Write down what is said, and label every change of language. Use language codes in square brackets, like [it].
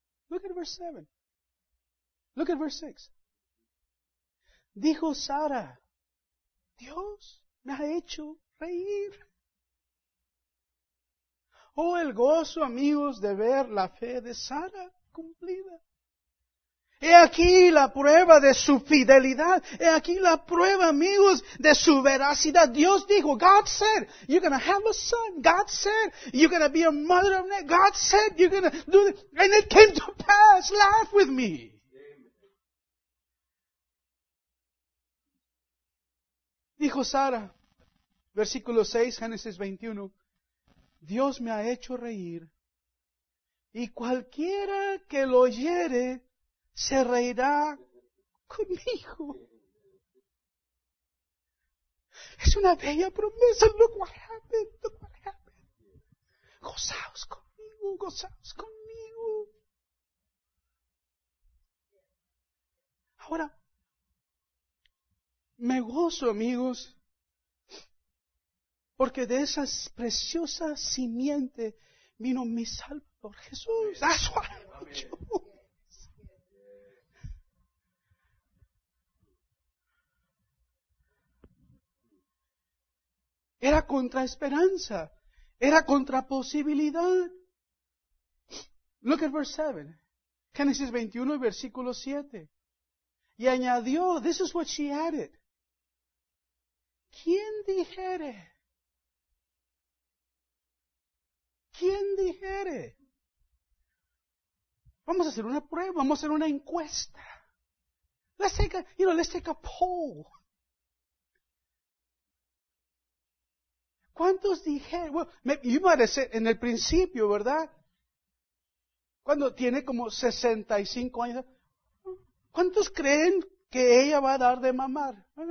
[en] Look at verse 7. Look at verse 6. [es] Dijo Sara, Dios me ha hecho reír. Oh, el gozo, amigos, de ver la fe de Sara cumplida. He aquí la prueba de su fidelidad. He aquí la prueba, amigos, de su veracidad. Dios dijo, [en] God said, you're going to have a son. God said, you're going to be a mother of men. God said, you're going to do this. And it came to pass. Laugh with me. [es] Dijo Sara, versículo 6, Génesis 21, Dios me ha hecho reír, y cualquiera que lo oyere se reirá conmigo. Es una bella promesa. [en] Look what happened, look what happened. [es] Gozaos conmigo, gozaos conmigo. Ahora, me gozo, amigos, porque de esa preciosa simiente vino mi Salvador Jesús. [en] That's what I choose. [es] Era contra esperanza. Era contra posibilidad. [en] Look at verse 7. [es] Génesis 21, versículo 7. Y añadió, [en] this is what she added. [es] ¿Quién dijere? ¿Quién dijere? Vamos a hacer una prueba, vamos a hacer una encuesta. [en] Let's take a, you know, let's take a poll. [es] ¿Cuántos dijeron? [en] Well, you might have said [es] en el principio, ¿verdad? Cuando tiene como 65 años. ¿Cuántos creen que ella va a dar de mamar?